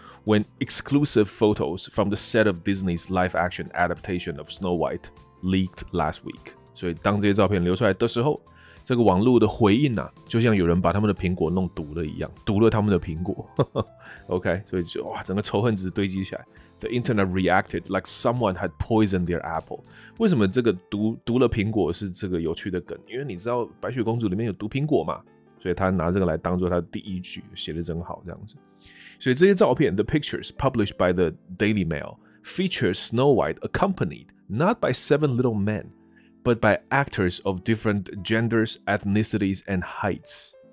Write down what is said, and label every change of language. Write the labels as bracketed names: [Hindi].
[English] When exclusive photos from the set of Disney's live-action adaptation of Snow White leaked last week， [Chinese] 所以当这些照片流出来的时候，这个网络的回应啊，就像有人把他们的苹果弄毒了一样，毒了他们的苹果。 OK， 所以就哇，整个仇恨值堆积起来。 [English] The internet reacted like someone had poisoned their apple。 [Chinese] 为什么这个毒了苹果是这个有趣的梗？因为你知道白雪公主里面有毒苹果嘛，所以他拿这个来当做他的第一句，写得真好，这样子。所以这些照片 [English] ，the pictures published by the Daily Mail features Snow White accompanied not by seven little men, but by actors of different genders, ethnicities, and heights。